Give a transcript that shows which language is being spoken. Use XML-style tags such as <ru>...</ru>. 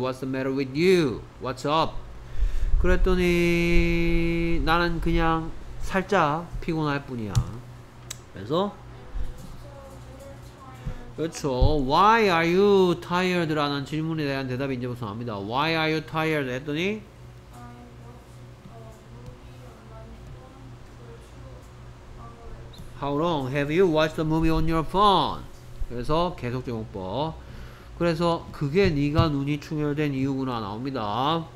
<en>What's the matter with you? What's up?</en> <ko>그랬더니 나는 그냥 살짝 피곤할 뿐이야. 그래서 그렇죠.</ko> <en>Why are you tired?</en> <ko>라는 질문에 대한 대답이 이제 부터 나옵니다.</ko> <en>Why are you tired?</en> <ko>했더니</ko> <en>How long have you watched the movie on your phone?</en> <ko>그래서 계속 제목법. 그래서 그게 네가 눈이 충혈된 이유구나 나옵니다.</ko>